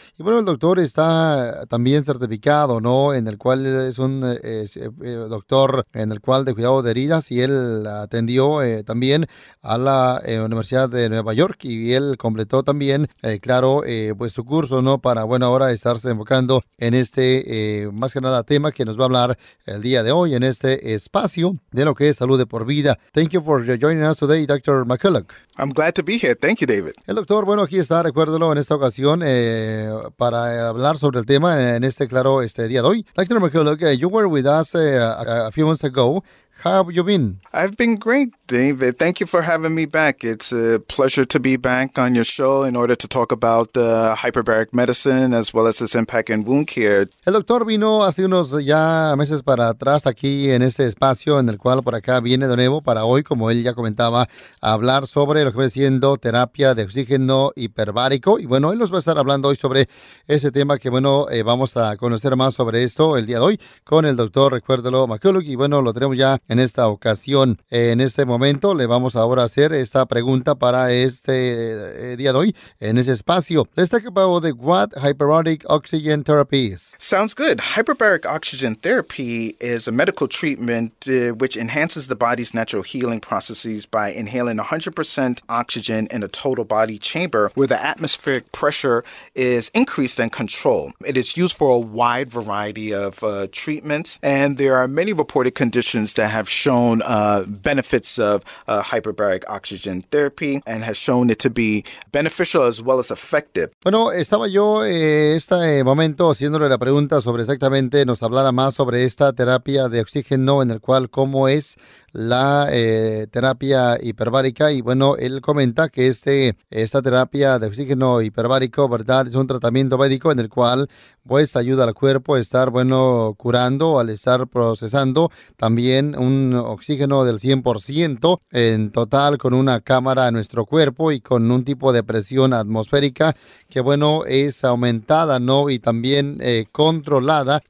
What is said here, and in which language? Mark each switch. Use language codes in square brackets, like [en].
[es] Y bueno, el doctor está también certificado, ¿no?, en el cual es un doctor en el cual de cuidado de heridas, y él atendió también a la Universidad de Nueva York, y él completó también, claro, pues su curso, ¿no?, para, bueno, ahora está enfocando en este más que nada tema que nos va a hablar el día de hoy en este espacio de lo que es Salud de por Vida. [en] Thank you for joining us today, Dr. McCulloch. I'm glad to be here. Thank you, David. [es] El doctor, bueno, aquí está, recuérdelo, en esta ocasión para hablar sobre el tema en este, claro, este día de hoy. [en] Dr. McCulloch, you were with us a few months ago. How have you been? I've been great, David. Thank you for having me back. It's a pleasure to be back on your show in order to talk about hyperbaric medicine as well as its impact in wound care. [es] El doctor vino hace unos ya meses para atrás aquí en este espacio, en el cual por acá viene de nuevo para hoy, como él ya comentaba, a hablar sobre lo que viene siendo terapia de oxígeno hiperbárico. Y bueno, él nos va a estar hablando hoy sobre ese tema que, bueno, vamos a conocer más sobre esto el día de hoy con el doctor, recuérdelo, McCulloch. Y bueno, lo tenemos ya en esta ocasión. En este momento le vamos ahora a hacer esta pregunta para este día de hoy en ese espacio. [en] Let's talk about what hyperbaric oxygen therapy is. Sounds good. Hyperbaric oxygen therapy is a medical treatment which enhances the body's natural healing processes by inhaling 100% oxygen in a total body chamber where the atmospheric pressure is increased and controlled. It is used for a wide variety of treatments, and there are many reported conditions that have shown benefits of hyperbaric oxygen therapy and has shown it to be beneficial as well as effective. [es] Bueno, estaba yo este momento haciéndole la pregunta sobre exactamente nos hablara más sobre esta terapia de oxígeno, en el cual cómo es la terapia hiperbárica. Y bueno, él comenta que esta terapia de oxígeno hiperbárico, ¿verdad?, es un tratamiento médico en el cual pues ayuda al cuerpo a estar, bueno, curando, al estar procesando también un oxígeno del 100% en total con una cámara en nuestro cuerpo y con un tipo de presión atmosférica que, bueno, es aumentada, ¿no?, y también controlada.